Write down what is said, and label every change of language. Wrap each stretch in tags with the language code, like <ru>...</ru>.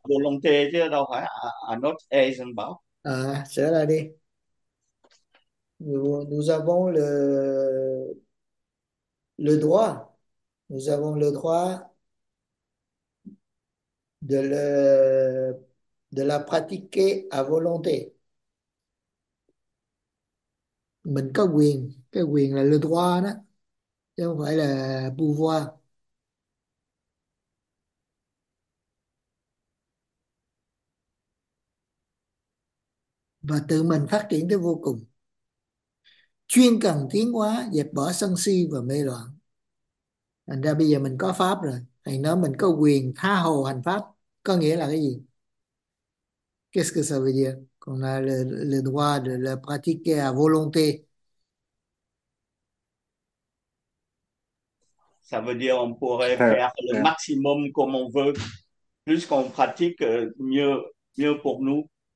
<vi>volonté chứ đâu phải not as bảo. À, sửa lại đi.</vi> <fr>Nous avons le droit, nous avons le droit de la pratiquer à volonté.</fr> <vi>Mình có quyền, cái quyền là le droit đó, chứ không phải là pouvoir. Và tự mình phát triển tới vô cùng. Chuyên cần tiến hóa, dẹp bỏ sân si và mê loạn. Thành ra bây giờ mình có pháp rồi, thầy nói mình có quyền tha hồ hành pháp, có nghĩa là cái gì?</vi> <fr>Qu'est-ce que ça veut dire? Qu'on a le droit de le pratiquer à volonté. Ça veut dire qu'on pourrait Ça, faire le maximum comme on veut, plus qu'on pratique, mieux mieux pour nous.</fr>